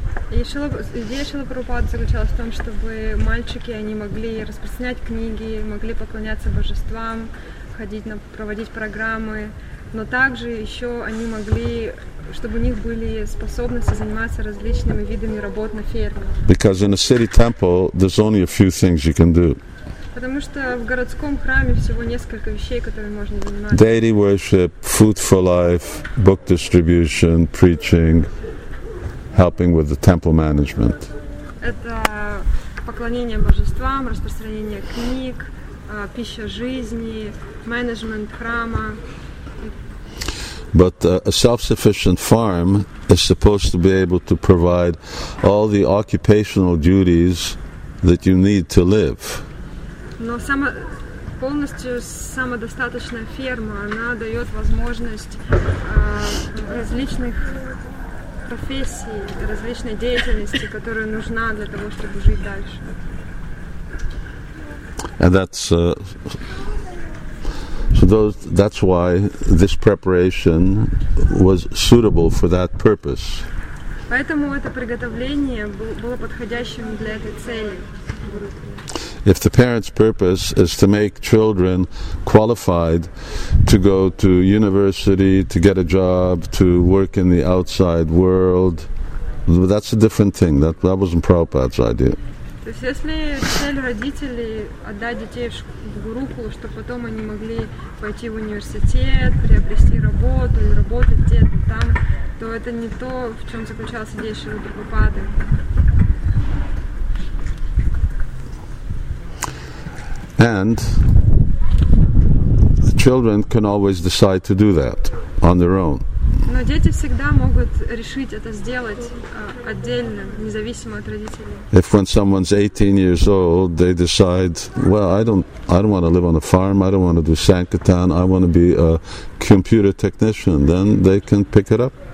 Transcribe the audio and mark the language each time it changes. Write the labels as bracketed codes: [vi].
[ru] Идея Шрилы Прабхупады заключалась в том, чтобы мальчики, они могли распространять книги, могли поклоняться божествам, ходить на, проводить программы, но также еще они могли, чтобы у них были способности заниматься различными видами работ на ферме. [en] Because in a city temple, there's only a few things you can do. [ru] Потому что в городском храме всего несколько вещей, которыми можно заниматься. [en] Deity worship, food for life, book distribution, preaching, helping with the temple management. [ru] Это поклонение божествам, распространение книг, пища жизни, менеджмент храма. [en] But a self-sufficient farm is supposed to be able to provide all the occupational duties that you need to live. [ru] Но сама полностью самодостаточная ферма, она дает возможность различных профессий, различной деятельности, которая нужна для того, чтобы жить дальше. [en] And that's so those, that's why this preparation was suitable for that purpose. [ru] Поэтому это приготовление было подходящим для этой цели. [en] If the parents' purpose is to make children qualified to go to university, to get a job, to work in the outside world, that's a different thing. That wasn't Prabhupada's idea. [ru] То есть, если цель родителей отдать детей в Гурукулу, чтобы потом они могли пойти в университет, приобрести работу и работать где-то там, то это не то, в чем заключалась идея Шрилы Прабхупады. [en] And the children can always decide to do that on their own. [ru] Но дети всегда могут решить это сделать отдельно, независимо от родителей. [en] If when someone's 18 years old, they decide, well, I don't want to live on a farm, I don't want to do sankirtan, I want to be a computer technician, then they can pick it up.